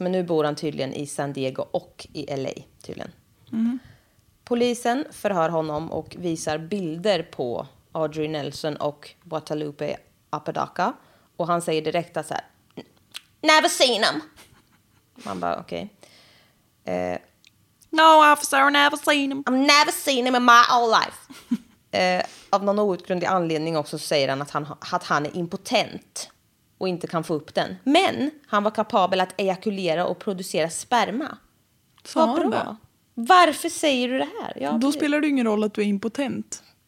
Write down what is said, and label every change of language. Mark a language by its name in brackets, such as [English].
[Swedish] Men nu bor han tydligen i San Diego och i LA, tydligen. Mm. Polisen förhör honom och visar bilder på Audrey Nelson och Guadalupe Apodaca. Och han säger direkt att så här, [English] never seen him. [Swedish] Man bara, okej. [English] Okay. No officer, I've never seen him. I've never seen him in my whole life. [Swedish] Av någon outgrundlig anledning också säger han att han är impotent och inte kan få upp den. Men han var kapabel att ejakulera och producera sperma. Sa han bra. Varför säger du det här? Ja, då spelar det ingen roll att du är impotent.